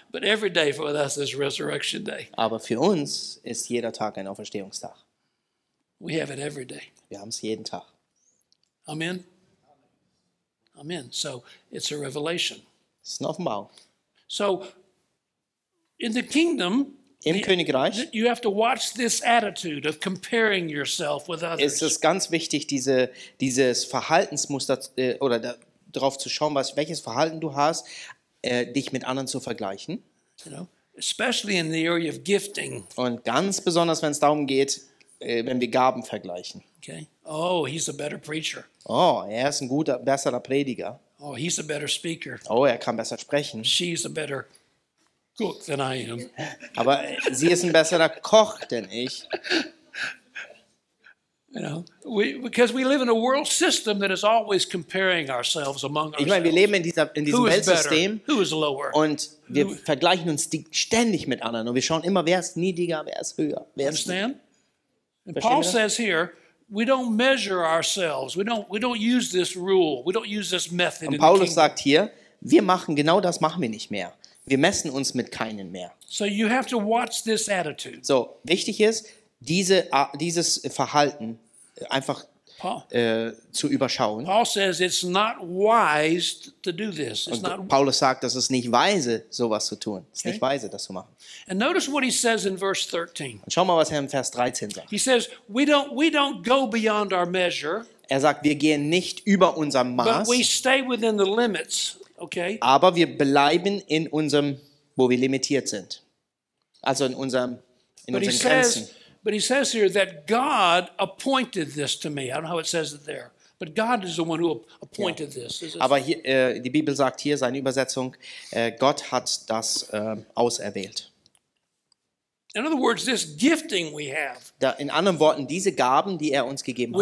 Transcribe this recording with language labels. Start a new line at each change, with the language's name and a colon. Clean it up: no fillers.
English: But every day for us is Resurrection Day.
German: Aber für uns ist jeder Tag ein Auferstehungstag.
English: We have it every day.
German: Wir haben es jeden Tag.
English: Amen. Amen. So it's a revelation.
German: Es ist eine Offenbarung.
English: So in the kingdom.
German: Im Königreich
English: you have to watch this attitude of comparing yourself with others.
German: Ist es ganz wichtig, dieses Verhaltensmuster oder darauf zu schauen, welches Verhalten du hast, dich mit anderen zu vergleichen.
English: You know, especially in the area of gifting.
German: Und ganz besonders, wenn es darum geht, wenn wir Gaben vergleichen.
English: Okay. Oh, he's a better preacher.
German: Oh, er ist ein guter, besserer Prediger.
English: Oh, he's a better speaker.
German: Oh, er kann besser sprechen.
English: She's a better cook than I am.
German: Aber sie ist ein besserer Koch denn ich.
English: You know, because we live in a world system that is always comparing ourselves among ourselves.
German: Ich meine, wir leben in diesem
English: who
German: Weltsystem.
English: Better, who is lower?
German: Und wir vergleichen uns ständig mit anderen und wir schauen immer, wer ist niedriger, wer ist höher, wer ist.
English: Understand? And Paul says here, we don't measure ourselves. We don't use this rule. We don't use this method.
German: Und Paulus sagt hier, wir machen genau das machen wir nicht mehr. Wir messen uns mit keinen mehr.
English: So you have to watch this attitude.
German: So, wichtig ist, dieses Verhalten einfach zu überschauen.
English: Paul says it's not wise to do this. It's not
German: Paulus sagt, dass es nicht weise, sowas zu tun. Es ist nicht weise, das zu machen.
English: And notice what he says in verse 13.
German: Und schau mal, was er in Vers 13 sagt.
English: He says, we don't go beyond our measure.
German: Er sagt, wir gehen nicht über unser Maß.
English: But we stay within the limits. Okay.
German: Aber wir bleiben in unserem, wo wir limitiert sind. Also in unseren Grenzen.
English: But he says here that God appointed this to me. I don't know how it says it there. But God is the one who appointed this.
German: Aber hier, die Bibel sagt hier, seine Übersetzung, Gott hat das auserwählt.
English: In other words, this gifting we have.
German: In anderen Worten, diese Gaben, die er uns gegeben hat.